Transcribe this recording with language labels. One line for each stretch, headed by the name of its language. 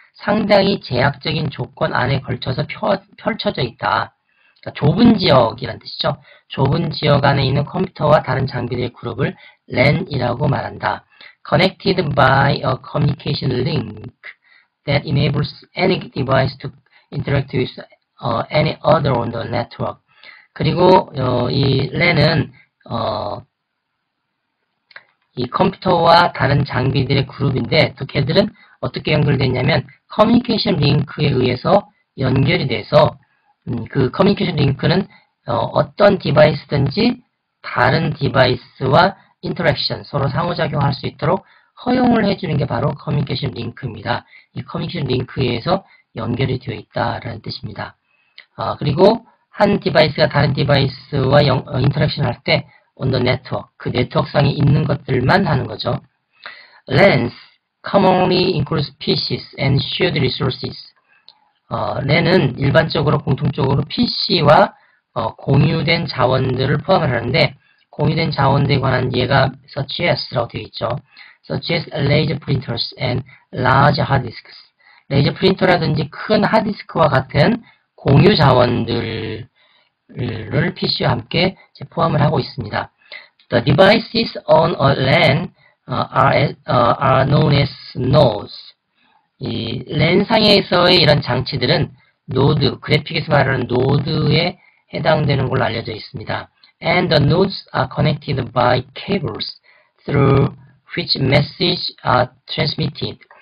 Korean: 상당히 제약적인 조건 안에 걸쳐서 펼쳐져 있다. 그러니까 좁은 지역이란 뜻이죠. 좁은 지역 안에 있는 컴퓨터와 다른 장비들의 그룹을 LAN이라고 말한다.
English: Connected by a communication link that enables any device to interact with any other on the network.
Korean: 그리고 이 LAN은 이 컴퓨터와 다른 장비들의 그룹인데 또 걔들은 어떻게 연결됐냐면 커뮤니케이션 링크에 의해서 연결이 돼서 그 커뮤니케이션 링크는 어떤 디바이스든지 다른 디바이스와 인터랙션, 서로 상호작용할 수 있도록 허용을 해주는 게 바로 커뮤니케이션 링크입니다. 이 커뮤니케이션 링크에서 연결이 되어 있다라는 뜻입니다. 그리고 한 디바이스가 다른 디바이스와 인터랙션 할 때
English: on the network,
Korean: 그 네트워크 상에 있는 것들만 하는 거죠.
English: LANs commonly includes PCs and shared resources.
Korean: LAN은 일반적으로 공통적으로 PC와 공유된 자원들을 포함을 하는데 공유된 자원들에 관한 예가
English: such as
Korean: 라고 되어 있죠.
English: Such as laser printers and large hard disks.
Korean: 레이저 프린터라든지 큰 하드디스크와 같은 공유 자원들을 PC와 함께 포함을 하고 있습니다.
English: The devices on a LAN are known as nodes.
Korean: 이 LAN 상에서의 이런 장치들은 노드, 그래픽에서 말하는 노드에 해당되는 걸로 알려져 있습니다.
English: And the nodes are connected by cables through which messages are transmitted.